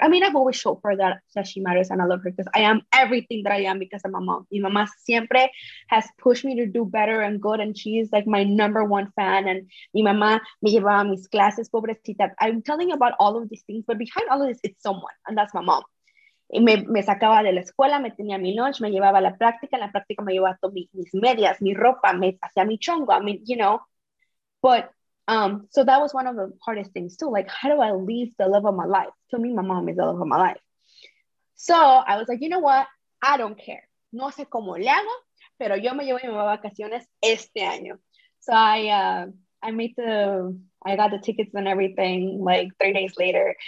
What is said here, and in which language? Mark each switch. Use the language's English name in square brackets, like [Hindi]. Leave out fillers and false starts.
[English] I mean, I've always showed her that she matters and I love her, because I am everything that I am because of my mom. [Spanish] Mi mamá siempre [English] has pushed me to do better and good, and she's like my number one fan. And [Spanish] mi mamá me llevaba mis clases, pobrecita. [English] I'm telling you about all of these things, but behind all of this, it's someone, and that's my mom. [Spanish] Y me sacaba de la escuela, me tenía mi lunch, me llevaba a la práctica, en la práctica me llevaba todo mis medias, mi ropa, me hacía mi chongo. [English] I mean, you know. But so that was one of the hardest things too. Like, how do I leave the love of my life? To me, my mom is the love of my life. So I was like, you know what? I don't care. [Spanish] No sé cómo le hago, pero yo me llevo mis vacaciones este año. [English] So I got the tickets and everything like 3 days later.